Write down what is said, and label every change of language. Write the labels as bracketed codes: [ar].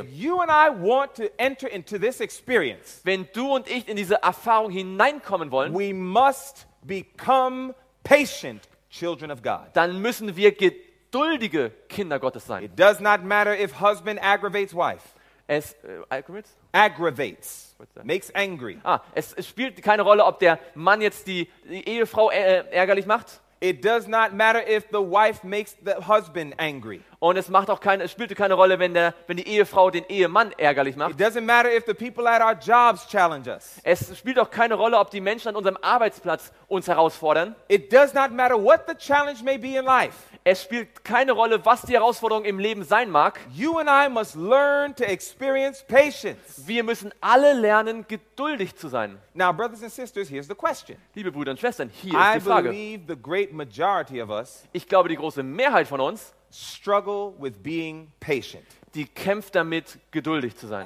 [en] If you and I want to enter into this experience, [de] wenn du und ich in diese Erfahrung hineinkommen wollen, [en] we must become patient children of God. [de] Dann müssen wir geduldige Kinder Gottes sein. [en] It does not matter if husband aggravates wife. [de] Es [en] aggravates, makes angry. [de] Ah, es spielt keine Rolle, ob der Mann jetzt die Ehefrau ärgerlich macht. [en] It does not matter if the wife makes the husband angry. [de] Und es spielte keine Rolle, wenn die Ehefrau den Ehemann ärgerlich macht. [en] It doesn't matter if the people at our jobs challenge us. [de] Es spielt auch keine Rolle, ob die Menschen an unserem Arbeitsplatz uns herausfordern. [en] It does not matter what the challenge may be in life. [de] Es spielt keine Rolle, was die Herausforderung im Leben sein mag. [en] You and I must learn to experience patience. [de] Wir müssen alle lernen, geduldig zu sein. [en] Now, brothers and sisters, here's the question. [de] Liebe Brüder und Schwestern, hier ist die Frage. [en] I believe the great majority of us, [de] ich glaube, die große Mehrheit von uns, [en] struggle with being patient. [de] Die kämpft damit, geduldig zu sein.